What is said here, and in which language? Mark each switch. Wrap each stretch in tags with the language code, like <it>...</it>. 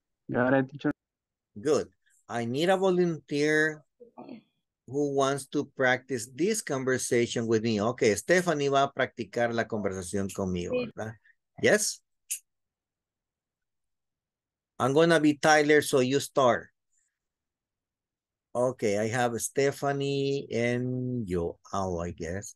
<en>Got it, teacher. Good. I need a volunteer who wants to practice this conversation with me.</en> <es>Okay, Stephanie va a practicar la conversación conmigo, ¿verdad?</es> <en>Yes? I'm going to be Tyler, so you start. Okay, I have Stephanie and Joao, I guess.</en>